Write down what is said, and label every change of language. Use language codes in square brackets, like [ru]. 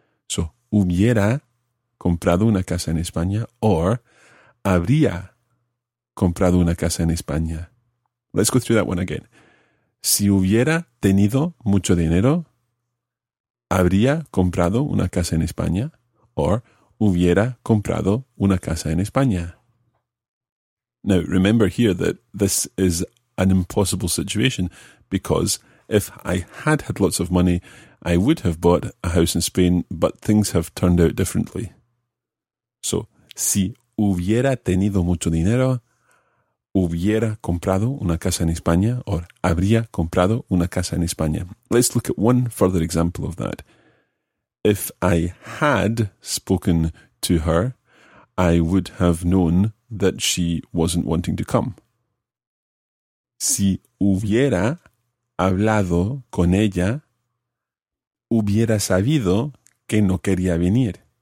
[es] So, hubiera comprado una casa en España or habría comprado una casa en España. [en] Let's go through that one again. [es] Si hubiera tenido mucho dinero, habría comprado una casa en España or hubiera comprado una casa en España. [en] Now, remember here that this is an impossible situation because if I had had lots of money, I would have bought a house in Spain, but things have turned out differently. [es] So, si hubiera tenido mucho dinero, hubiera comprado una casa en España, or habría comprado una casa en España. [en] Let's look at one further example of that. If I had spoken to her, I would have known that she wasn't wanting to come. [es] Si hubiera hablado con ella, hubiera sabido que no quería venir.